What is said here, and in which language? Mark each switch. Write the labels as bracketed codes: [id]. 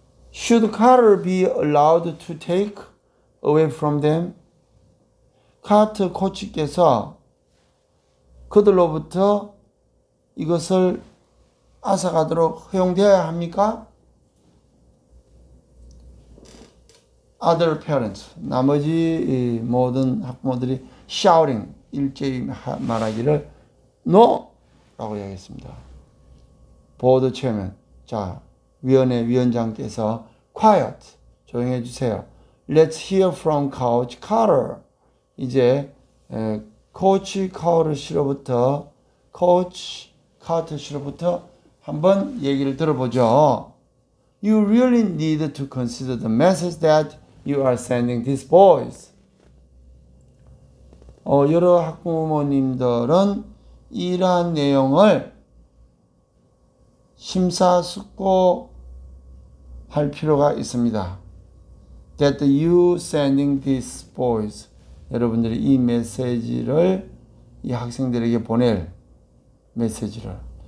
[en] Should Carter be allowed to take away from them? [ko] 카트 코치께서 그들로부터 이것을 앗아가도록 허용되어야 합니까? [en] Other parents, [ko] 나머지 모든 학부모들이 shouting, 일제히 말하기를 no! 라고 이야기했습니다. [en] Board chairman, [ko] 자, 위원회 위원장께서 quiet, 조용해 주세요. [en] Let's hear from coach Carter. [ko] 이제 코치 카우르 씨로부터, 코치 카트 씨로부터 한번 얘기를 들어보죠. [en] You really need to consider the message that you are sending these boys. [ko] 여러 학부모님들은 이러한 내용을 심사숙고할 필요가 있습니다. [en] That you sending these boys. [ko] 여러분들이 이 메시지를 이 학생들에게 보낼 메시지를.